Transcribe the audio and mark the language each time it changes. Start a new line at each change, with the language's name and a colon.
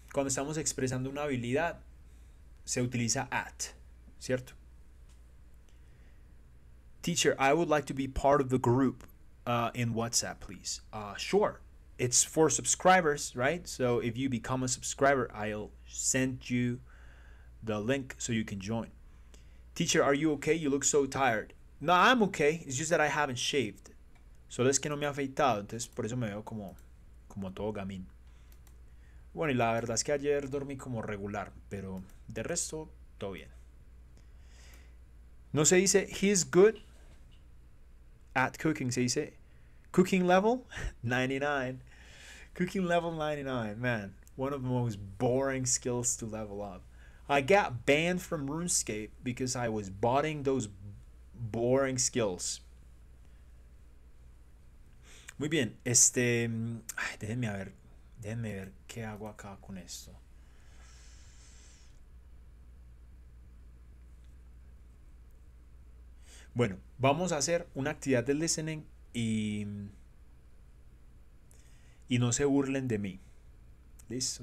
Spanish: Cuando estamos expresando una habilidad, se utiliza at, ¿cierto?
English: Teacher, I would like to be part of the group in WhatsApp, please. Sure. It's for subscribers, right? So if you become a subscriber, I'll send you the link so you can join. Teacher, are you okay? You look so tired. No, I'm okay. It's just that I haven't shaved.
Spanish: Solo es que no me he afeitado, entonces por eso me veo como todo gamín. Bueno, y la verdad es que ayer dormí como regular, pero de resto, todo bien. No se dice
English: he's good at cooking,
Spanish: se dice
English: cooking level 99. Cooking level 99, man. One of the most boring skills to level up. I got banned from RuneScape because I was botting those boring skills.
Spanish: Muy bien, déjenme ver qué hago acá con esto. Bueno, vamos a hacer una actividad de listening y no se burlen de mí. ¿Listo?